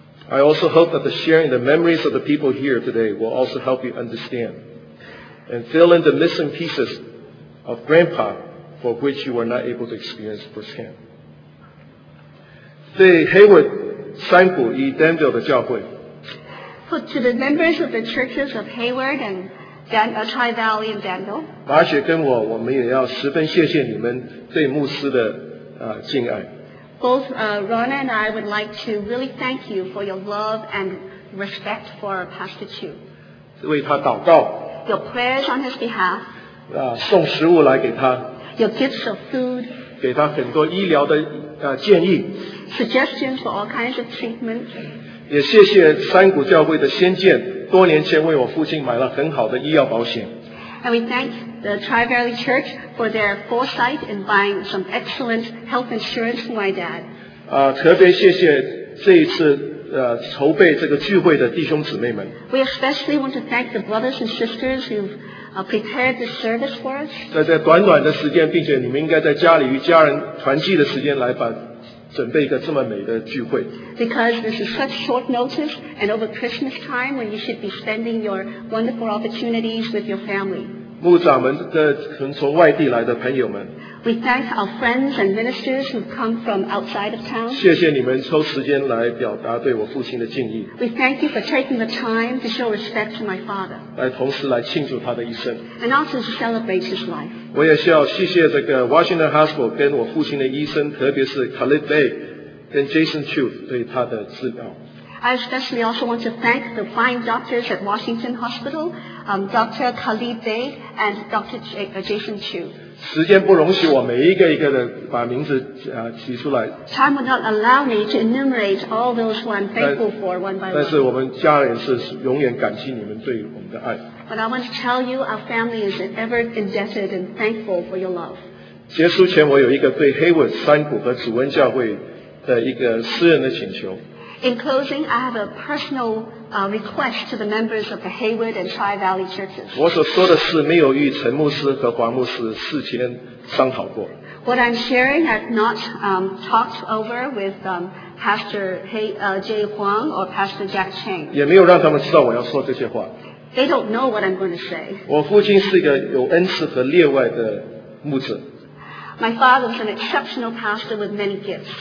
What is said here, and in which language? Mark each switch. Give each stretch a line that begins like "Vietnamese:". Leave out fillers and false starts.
English: I also hope that the sharing the memories of the people here today will also help you understand and fill in the missing pieces of Grandpa. For which you were not able to experience firsthand.
Chinese: 对 Hayward 山谷与 Danville 的教会。
English: So to the members of the churches of Hayward and Tri Valley and Danville.
Chinese: 马雪跟我们也要十分谢谢你们对牧师的敬爱。
English: Both Rona and I would like to really thank you for your love and respect for our Pastor Chu.
Chinese: 为他祷告。
English: Your prayers on his behalf.
Chinese: 送食物来给他。
English: Your gifts of food,
Chinese: 给他很多医疗的建议
English: suggestions for all kinds of treatment.
Chinese: 也谢谢山谷教会的先见，多年前为我父亲买了很好的医药保险。
English: And we thank the Tri Valley Church for their foresight in buying some excellent health insurance for my dad.
Chinese: 特别谢谢这一次筹备这个聚会的弟兄姊妹们。
English: We especially want to thank the brothers and sisters who've prepared the service for us.
Chinese: 在这短短的时间，并且你们应该在家里与家人团聚的时间来准备一个这么美的聚会。
English: Because this is such short notice, and over Christmas time when you should be spending your wonderful opportunities with your family.
Chinese: 牧长们的从外地来的朋友们。
English: We thank our friends and ministers who come from outside of town.
Chinese: 谢谢你们抽时间来表达对我父亲的敬意。
English: We thank you for taking the time to show respect to my father.
Chinese: 来同时来庆祝他的一生。
English: And also to celebrate his life.
Chinese: 我也需要谢谢这个 Washington Hospital 跟我父亲的医生，特别是 Khalid Bey 跟 Jason Chu 对他的治疗。
English: I especially also want to thank the fine doctors at Washington Hospital, Dr. Khalid Bey and Dr. Jason Chu.
Chinese: 时间不容许我每一个一个的把名字提出来。
English: Time would not allow me to enumerate all those who I'm thankful for one by one.
Chinese: 但是我们家人是永远感激你们对我们的爱。
English: But I want to tell you our family is ever indebted and thankful for your love.
Chinese: 结束前我有一个对 Hayward 山谷和主恩教会的一个私人的请求。
English: In closing, I have a personal request to the members of the Hayward and Tri-Valley Churches.
Chinese: 我所说的是没有与陈牧师和黄牧师事前商讨过。
English: What I'm sharing, I've not talked over with Pastor Jay Huang or Pastor Jack Chang.
Chinese: 也没有让他们知道我要说这些话。
English: They don't know what I'm going to say.
Chinese: 我父亲是一个有恩赐和列外的牧者。
English: My father was an exceptional pastor with many gifts.